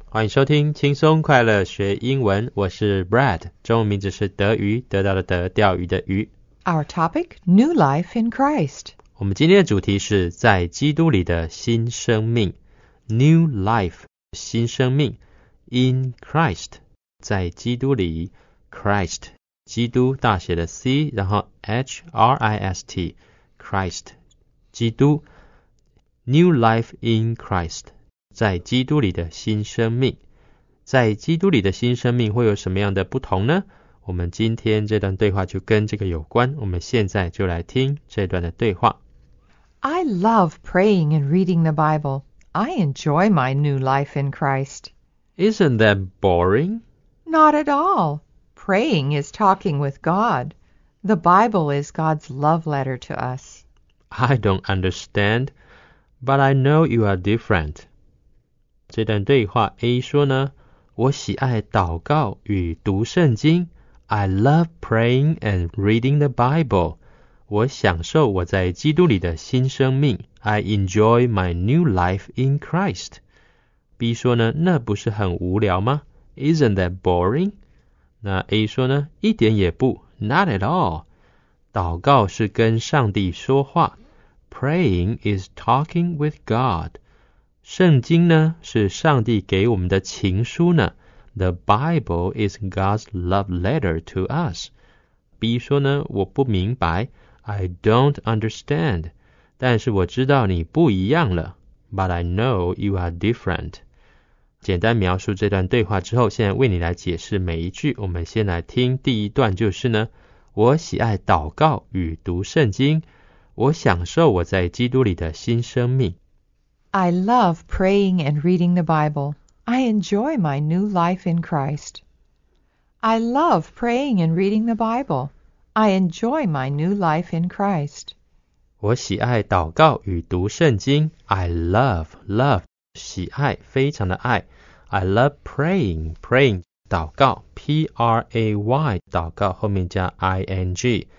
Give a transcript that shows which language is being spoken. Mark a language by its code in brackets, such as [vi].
[zh] 欢迎收听轻松快乐学英文。我是 Brad. 中文名字是德鱼，得到的德，钓鱼的鱼。 [en] Our topic, New Life in Christ. [zh] 我们今天的主题是在基督里的新生命。 [en] New Life, [zh] 新生命。 [en] In Christ, [zh] 在基督里。Christ, 基督大写的 C, 然后 H-R-I-S-T, Christ, 基督。 [en] New life in Christ, [zh] 在基督里的新生命。在基督里的新生命会有什么样的不同呢？我们今天这段对话就跟这个有关，我们现在就来听这段的对话。 [en] I love praying and reading the Bible. I enjoy my new life in Christ. Isn't that boring? Not at all. Praying is talking with God. The Bible is God's love letter to us. I don't understand. But I know you are different. [zh] 这段对话 A 说呢，我喜爱祷告与读圣经。 [en] I love praying and reading the Bible. [zh] 我享受我在基督里的新生命。 [en] I enjoy my new life in Christ. [zh] B 说呢，那不是很无聊吗？ [en] Isn't that boring? [zh] 那 A 说呢，一点也不。 [en] Not at all. [zh] 祷告是跟上帝说话。 [en] Praying is talking with God. [zh] 圣经呢，是上帝给我们的情书呢。 [en] The Bible is God's love letter to us. [zh] B 说呢，我不明白。 [en] I don't understand. [zh] 但是我知道你不一样了。 [en] But I know you are different. [zh] 简单描述这段对话之后，现在为你来解释每一句。我们先来听第一段，就是呢，我喜爱祷告与读圣经。我享受我在基督里的新生命。 [en] I love praying and reading the Bible. I enjoy my new life in Christ. I love praying and reading the Bible. I enjoy my new life in Christ. [zh] 我喜爱祷告与读圣经。 [en] I love, love, [zh] 喜爱，非常的爱。 [en] I love praying, praying, [zh] 祷告 ,P-R-A-Y, 祷告后面加 I-N-G。